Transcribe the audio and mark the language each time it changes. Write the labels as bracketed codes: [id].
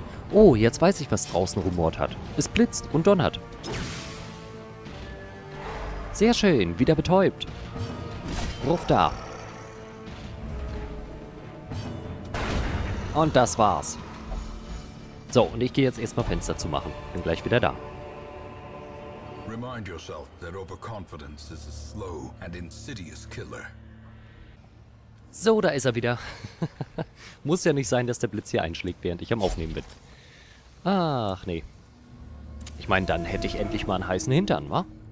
[de] Oh, jetzt weiß ich, was draußen rumort hat. Es blitzt und donnert. Sehr schön, wieder betäubt. Ruf da. Und das war's. So, und ich gehe jetzt erstmal Fenster zu machen. Bin gleich wieder da. [en] Remind yourself that overconfidence is a slow and insidious killer. [de] So, da ist er wieder. Muss ja nicht sein, dass der Blitz hier einschlägt, während ich am Aufnehmen bin. Ach, nee. Ich meine, dann hätte ich endlich mal einen heißen Hintern, wa?